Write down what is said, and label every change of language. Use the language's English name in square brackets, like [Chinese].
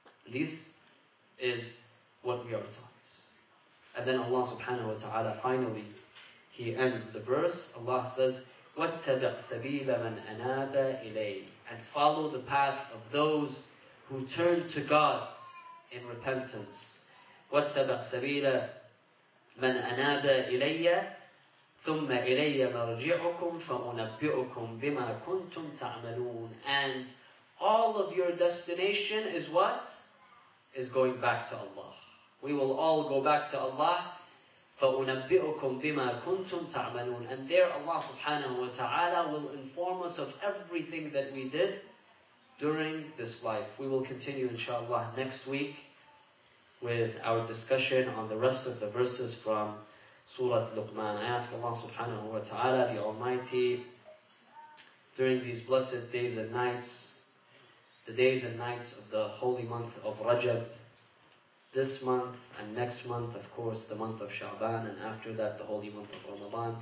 [English] This is what we are taught. And then Allah subhanahu wa ta'ala, finally, he ends the verse. Allah says, [Arabic] وَاتَّبِعْ سَبِيلَ مَنْ أَنَابَ إِلَيْهِ, [English] and follow the path of those who turn to God in repentance. [Arabic] وَاتَّبَعْ سَبِيلَ مَنْ أَنَابَ إِلَيَّ. ثم إلي مرجعكم فأنبئكم بما كنتم تعملون. [English] And all of your destination is what? Is going back to Allah. We will all go back to Allah. [Arabic] فأنبئكم بما كنتم تعملون. [English] And there Allah subhanahu wa ta'ala will inform us of everything that we did during this life. We will continue inshallah next week with our discussion on the rest of the verses from Surah Luqman. I ask Allah subhanahu wa ta'ala, the Almighty, during these blessed days and nights, the days and nights of the holy month of Rajab, this month and next month, of course, the month of Sha'ban, and after that, the holy month of Ramadan.